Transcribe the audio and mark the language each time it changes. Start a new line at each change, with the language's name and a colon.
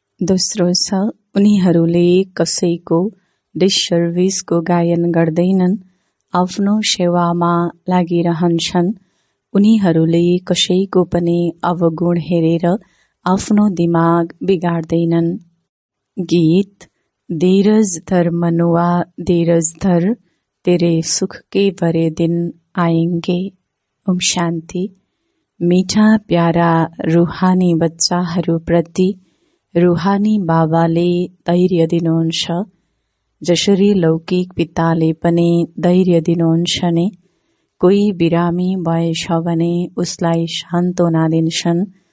Nepali: दोस्रो छ, उनीहरूले कसैको डिसर्भिसको गायन गर्दैनन्, आफ्नो सेवामा लागिरहन्छन्। उनीहरूले कसैको पनि अवगुण हेरेर आफ्नो दिमाग बिगार्दैनन्।
Hindi: गीत: धीरज धर मनुवा धीरज धर, तेरे सुख के भरे दिन आएंगे।
Nepali: ओम शांति। मीठा प्यारा रूहानी बच्चाहरूप्रति रूहानी बाबाले धैर्य दिनुहुन्छ, जसरी लौकिक पिताले पनि धैर्य दिनुहुन्छ नि। कोही बिरामी भएछ भने उसलाई सान्त्वना दिन्छन्।